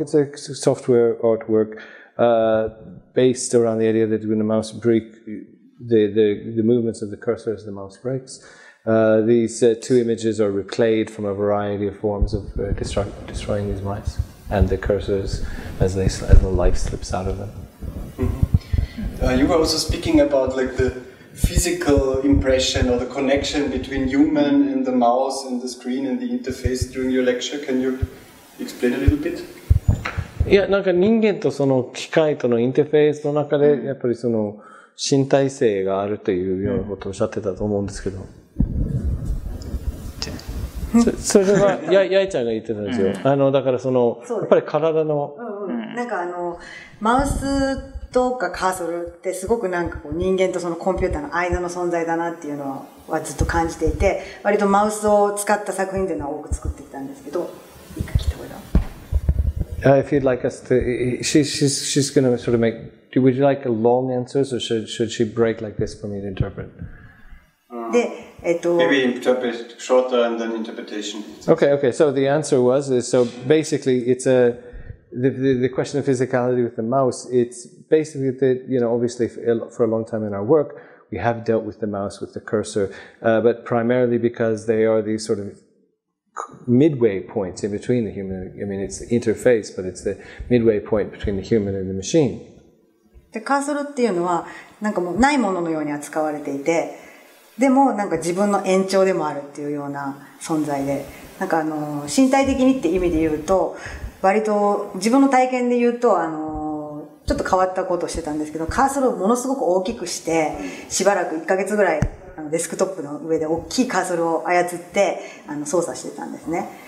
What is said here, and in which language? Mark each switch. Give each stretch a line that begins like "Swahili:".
English: It's a software artwork, based around the idea that when the mouse breaks, the movements of the cursor as the mouse breaks, these two images are replayed from a variety of forms of destroying these mice and the cursors as the life slips out of them. You were also speaking about like the physical impression or the connection between human and the mouse and the screen and the interface during your lecture. Can you explain a little bit?
Japanese: Yeah, なんか人間とその機械とのインターフェースの中でやっぱりその身体性があるというようなことをおっしゃってたと思うんですけど。それはやいちゃんが言ってたんですよ。だからそのやっぱり体の。なんかマウスとかカーソルってすごくなんかこう人間とそのコンピューターの間の存在だなっていうのはずっと感じていて、割とマウスを使った作品っていうのは多く作ってきたんですけど、一回聞いてごらん。
English: If you'd like us to, she's going to sort of make, would you like a long answer, or should she break like this for me to interpret? で、 Maybe interpret shorter and then interpretation. Okay. So the answer was, so basically it's a,The question of physicality with the mouse, it's basically that, obviously for a long time in our work, we have dealt with the mouse, with the cursor, but primarily because they are these sort of midway points in between the human, I mean, it's the interface, but it's the midway point between the human and the machine.
Japanese: The cursor っていうのは、なんかもうないもののように扱われていて、でもなんか自分の延長でもあるっていうような存在で、なんか身体的にって意味で言うと、割と自分の体験で言うとちょっと変わったことをしてたんですけど、カーソルをものすごく大きくしてしばらく1ヶ月ぐらいデスクトップの上で大きいカーソルを操って操作してたんですね。